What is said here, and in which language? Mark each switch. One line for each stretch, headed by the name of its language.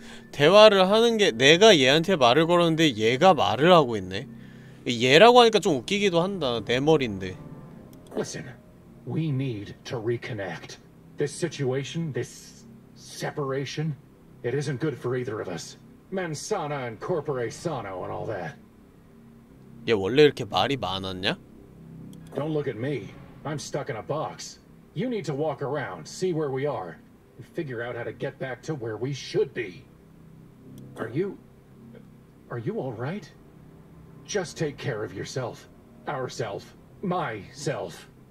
Korean: 대화를 하는 게 내가 얘한테 말을 걸었는데 얘가 말을 하고 있네. 얘라고 하니까 좀 웃기기도 한다. 내 머리인데.
English: Listen, we need to reconnect. This situation, this separation, it isn't good for either of us.
Latin: Mens sana
English: and
Latin: corpore sano
English: and all that.
Korean: 얘 원래 이렇게 말이 많았냐?
English: Don't look at me. I'm stuck in a box. You need to walk around, see where we are, and figure out how to get back to where we should be. Are you all right? Just take care of yourself. Ourself. Myself.